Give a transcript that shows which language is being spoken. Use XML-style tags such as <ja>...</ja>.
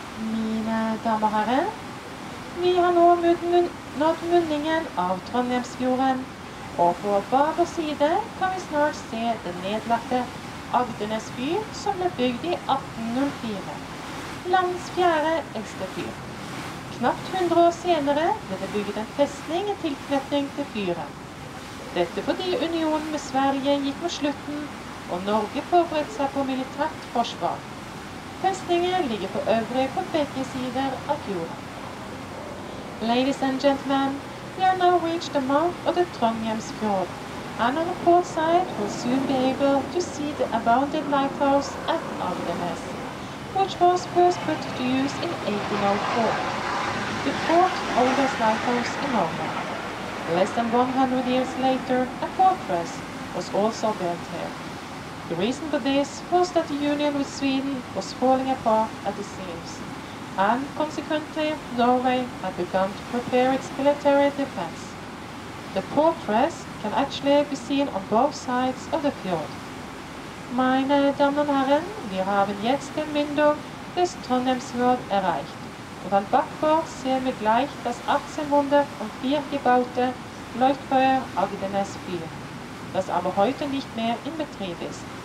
<no>Mine damer og herrer, vi har nå nådd munningen av Trondheimsfjorden, og på bare side kan vi snart se den nedlagte Agdenes by som ble bygd i 1804, landets fjerde eldste fyr. Knapt 100 år senere ble det bygget en festning i tilknytning til fyren. Dette fordi unionen med Sverige gikk mot slutten, og Norge forberedte seg på militært forsvar. Festningen ligger på øvre på begge sider av fjorden.</no> <en>Ladies and gentlemen, we are now reached the mouth of the Trondheimsfjord, and on the port side will soon be able to see the abundant lighthouse at Agdenes, which was first put to use in 1804, the fourth oldest lighthouse in Norway. Less than 100 years later, a fortress was also built here. The reason for this was that the union with Sweden was falling apart at the seams, and consequently, Norway had begun to prepare its military defense. The fortress can actually be seen on both sides of the fjord.</en> <de>Meine Damen und Herren, wir haben jetzt den Mündung des Trondheimsfjord erreicht. Und an Backbord sehen wir gleich das 1804 gebaute Leuchtfeuer Agdenes Fyr, das aber heute nicht mehr in Betrieb ist.</de>